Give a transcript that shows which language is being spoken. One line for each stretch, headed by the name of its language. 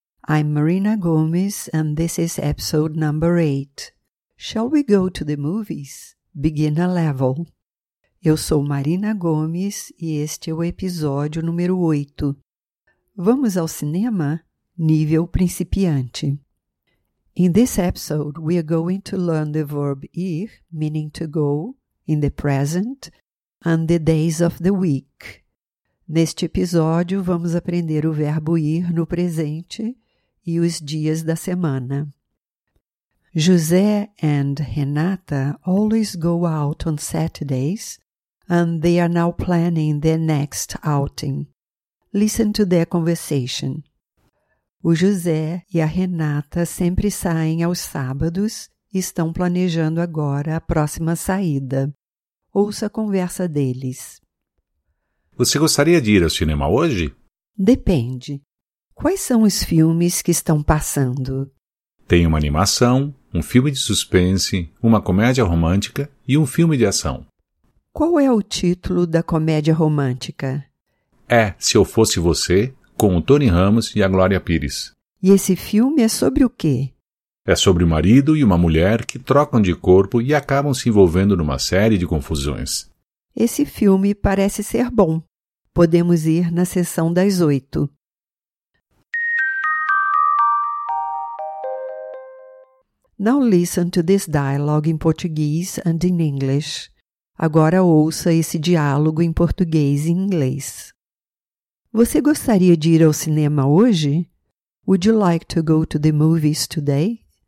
English: I'm Marina Gomes and this is episode number 8. Shall we go to the movies? Beginner level.
Portuguese: Eu sou Marina Gomes e este é o episódio número 8. Vamos ao cinema? Nível principiante.
English: In this episode, we are going to learn the verb ir, meaning to go, in the present, and the days of the week.
Portuguese: Neste episódio, vamos aprender o verbo ir no presente e os dias da semana.
English: José and Renata always go out on Saturdays, and they are now planning their next outing. Listen to their conversation.
Portuguese: O José e a Renata sempre saem aos sábados e estão planejando agora a próxima saída. Ouça a conversa deles. Você gostaria de ir ao cinema hoje? Depende. Quais são os filmes que estão passando? Tem uma animação, um filme de suspense, uma comédia romântica e um filme de ação. Qual é o título da comédia romântica? É Se Eu Fosse Você, com o Tony Ramos e a Glória Pires. E esse filme é sobre o quê? É sobre o marido e uma mulher que trocam de corpo e acabam se envolvendo numa série de confusões. Esse filme parece ser bom. Podemos ir na sessão das 8.
English: Now listen to this dialogue in Portuguese and in English.
Portuguese: Agora ouça esse diálogo em português e inglês. Você gostaria de ir ao cinema hoje?
English: Would you like to go to the movies today?